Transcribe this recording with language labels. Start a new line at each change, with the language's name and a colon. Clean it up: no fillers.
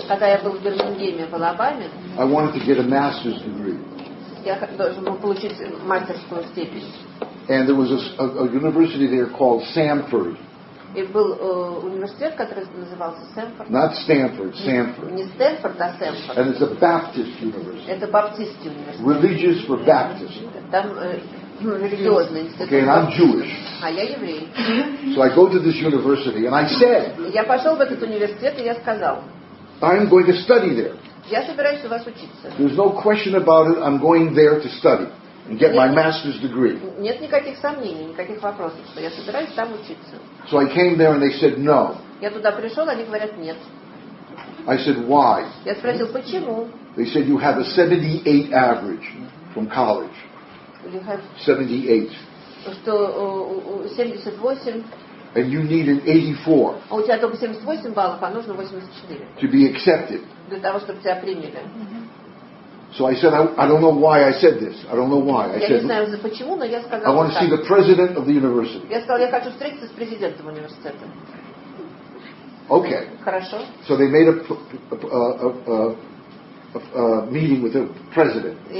Russian: когда я был в Бирмингеме, в Алабаме,
English: I wanted to get a master's degree.
Russian: Я должен был получить мастерскую степень.
English: And there was a university there called Samford.
Russian: It был университет, который назывался Samford.
English: Not Stanford, Samford.
Russian: Не Стэнфорд, а Samford.
English: And it's a Baptist university.
Russian: Это баптистский университет.
English: Religious for Baptists.
Russian: Там религиозный институт.
English: Okay, and I'm Jewish.
Russian: А я еврей.
English: So I go to this university and I said.
Russian: Я пошел в этот университет и я сказал.
English: I'm going to study there.
Russian: Я собираюсь у вас учиться.
English: There's no question about it. I'm going there to study. And get my master's degree.
Russian: Нет никаких сомнений, никаких вопросов, что я собираюсь там учиться.
English: So I came there and they said no.
Russian: Я туда пришел, они говорят нет.
English: I said why?
Russian: Я спросил почему.
English: They said you have a 78 average. from college. You have 78. And you need an 84.
Russian: У тебя только 78 баллов, а нужно 84.
English: To be accepted.
Russian: Для того, чтобы тебя приняли.
English: So I said, I don't know why I said this. I don't know why. I said, I want to see the president of the university. Okay. So they made a meeting with the president.